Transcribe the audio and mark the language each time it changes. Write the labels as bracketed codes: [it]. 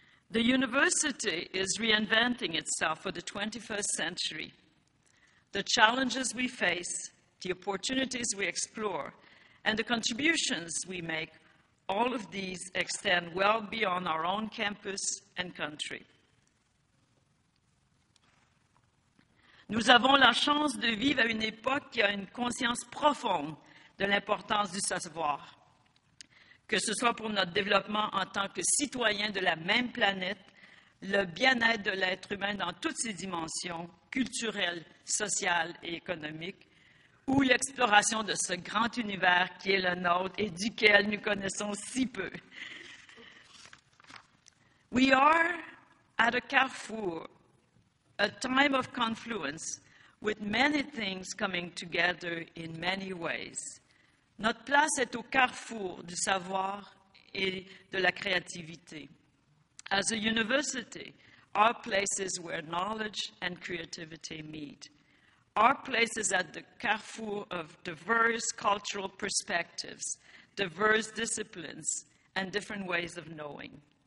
[en] The university is reinventing itself for the 21st century. The challenges we face, the opportunities we explore, and the contributions we make, all of these extend well beyond our own campus and country. [fr] Nous avons la chance de vivre à une époque qui a une conscience profonde de l'importance du savoir, que ce soit pour notre développement en tant que citoyens de la même planète, le bien-être de l'être humain dans toutes ses dimensions, culturelles, sociales et économiques, ou l'exploration de ce grand univers qui est le nôtre et duquel nous connaissons si peu. [en] We are at a carrefour, a time of confluence, with many things coming together in many ways. [fr] Notre place est au carrefour du savoir et de la créativité. [en] As a university, our place is where knowledge and creativity meet. Our place is at the carrefour of diverse cultural perspectives, diverse disciplines, and different ways of knowing.